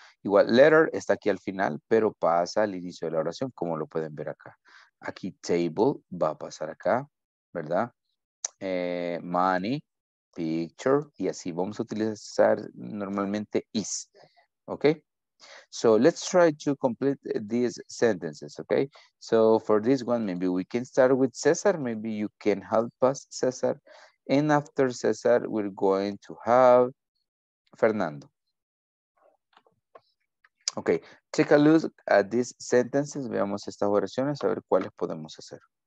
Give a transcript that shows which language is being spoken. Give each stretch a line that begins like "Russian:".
Spanish: Igual, letter está aquí al final, pero pasa al inicio de la oración, como lo pueden ver acá. Aquí, table va a pasar acá, ¿verdad? Money, picture, y así vamos a utilizar normalmente is, ¿ok?
English: So let's try to complete these sentences, okay? So for this one, maybe we can start with Cesar. Maybe you can help us, Cesar. And after Cesar, we're going to have Fernando. Okay, take a look at these sentences.
Spanish: Veamos estas oraciones, a ver cuáles podemos hacer.